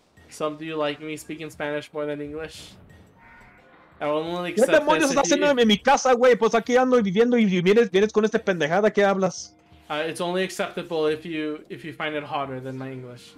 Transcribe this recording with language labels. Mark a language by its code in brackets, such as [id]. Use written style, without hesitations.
[en] Some do you like me speaking Spanish more than English? I will only accept this. [es] ¿Qué demonios estás haciendo en mi casa, güey? Pues aquí ando y viviendo y vienes con esta pendejada que hablas. [en] It's only acceptable if you find it hotter than my English.